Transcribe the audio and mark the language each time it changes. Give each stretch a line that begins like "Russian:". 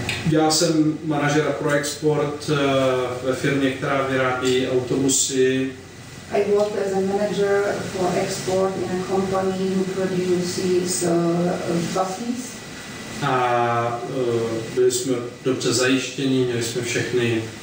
Czech: Já jsem manažera pro export ve firmě, která vyrábí autobusy.
English: I worked as a manager for export in a company who produces buses.
Czech: A byli jsme dobře zajištění, měli jsme všechny